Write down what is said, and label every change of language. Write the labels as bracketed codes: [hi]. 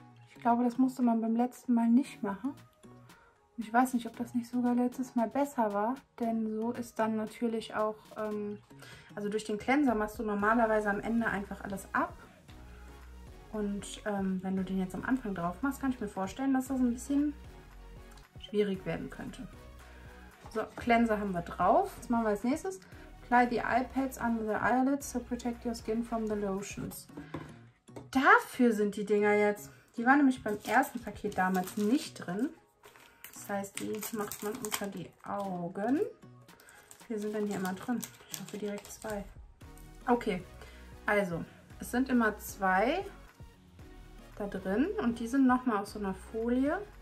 [de] Ich glaube, das musste man beim letzten Mal nicht machen. Ich weiß nicht, ob das nicht sogar letztes Mal besser war, denn so ist dann natürlich auch, also durch den Cleanser machst du normalerweise am Ende einfach alles ab. Und wenn du den jetzt am Anfang drauf machst, kann ich mir vorstellen, dass das ein bisschen schwierig werden könnte. So, Cleanser haben wir drauf. Was machen wir als nächstes? [en] Apply the eye pads under the eyelids to protect your skin from the lotions. [de] Dafür sind die Dinger jetzt. Die waren nämlich beim ersten Paket damals nicht drin. Das heißt, die macht man unter die Augen. Wir sind dann hier immer drin. Ich hoffe direkt 2. Okay, also es sind immer 2 da drin und die sind noch mal auf so einer Folie.